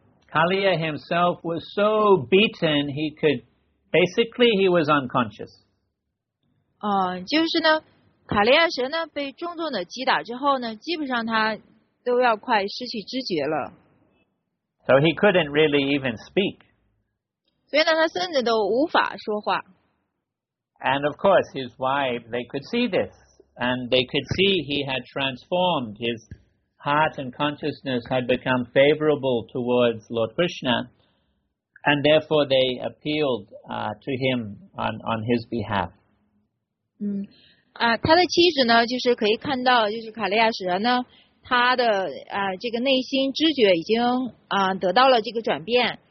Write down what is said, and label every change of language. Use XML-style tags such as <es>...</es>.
<en>Kaliya himself was so beaten he could basically he was unconscious.</en> <zh>就是呢，卡利亚蛇呢被重重的击打之后呢，基本上他都要快失去知觉了。</zh> <en>So he couldn't really even speak.</en> <zh>所以呢，他甚至都无法说话。</zh> <en>And of course, his wife, they could see this. And they could see he had transformed. His heart and consciousness had become favorable towards Lord Krishna. And therefore, they appealed to him on his behalf.</en> <zh>他的妻子呢，就是可以看到，就是卡利亚蛇呢，他的这个内心知觉已经得到了这个转变。</zh>